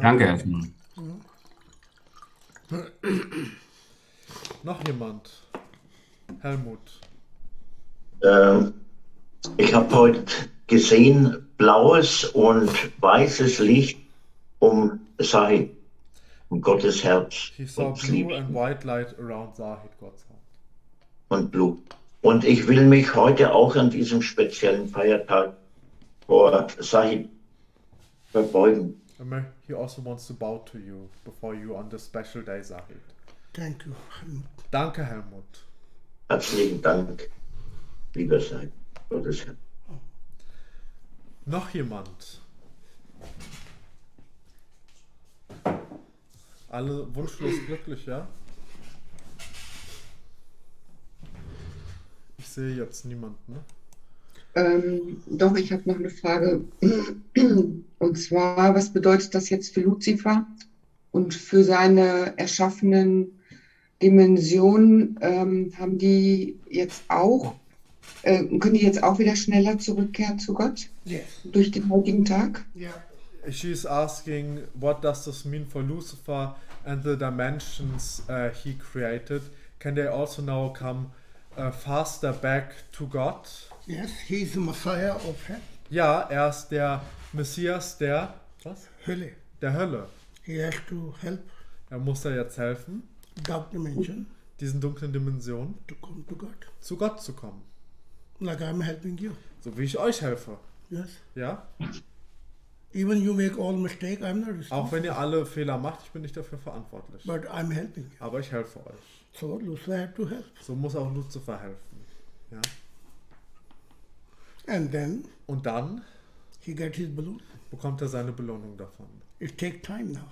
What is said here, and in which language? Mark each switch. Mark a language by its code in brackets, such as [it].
[de] Hartmut? Danke. Noch jemand? Helmut. Ich habe heute gesehen, blaues und weißes Licht um, sage ich, und Gottes Herz. [en] He saw [de] und [en] blue and white light around Zahid, God's heart. [de] Und blue. Und ich will mich heute auch an diesem speziellen Feiertag vor Zahid verbeugen. [en] He also wants to bow to you before you on the special day, Zahid. Thank you. [de] Danke, Helmut. Herzlichen Dank, lieber Zahid. Gottes Herz. Noch jemand? Alle wunschlos glücklich, ja? Ich sehe jetzt niemanden. Doch, ich habe noch eine Frage. Und zwar, was bedeutet das jetzt für Luzifer und für seine erschaffenen Dimensionen? Haben die jetzt auch, können die jetzt auch wieder schneller zurückkehren zu Gott? [en] Yes. [de] Durch den heutigen Tag? Ja. [en] She is asking, what does this mean for Lucifer and the dimensions he created? Can they also now come faster back to God? Yes, he is the Messiah of Hell. [de] Ja, er ist der Messias der was? Hölle. Der Hölle. [en] He has to help. [de] Er muss da jetzt helfen. [en] Dark dimension. [de] Diesen dunklen Dimensionen. [en] To come to God. [de] Zu Gott zu kommen. [en] Like I'm helping you. [de] So wie ich euch helfe. [en] Yes. [de] Ja. [en] Even you make all mistake, I'm not responsible. [de] Auch wenn ihr alle Fehler macht, ich bin nicht dafür verantwortlich. [en] But I'm helping. [de] Aber ich helfe euch. [en] So Lucifer had to help. [de] So muss auch Lucifer helfen. Ja. [en] And then. [de] Und dann. [en] He gets his balloon. [de] Bekommt er seine Belohnung davon. [en] It take time now.